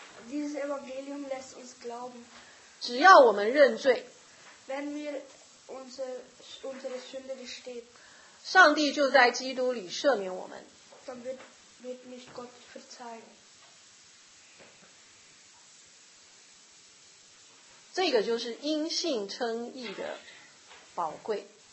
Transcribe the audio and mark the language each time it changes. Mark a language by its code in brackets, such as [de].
[de] Dieses Evangelium lässt uns glauben. [zh] 只要我们认罪 [de] wenn wir unsere Sünde gesteht, [zh] 上帝就在基督里赦免我们 [de] dann wird mich Gott verzeihen. [zh] 这个就是因信称义的宝贵。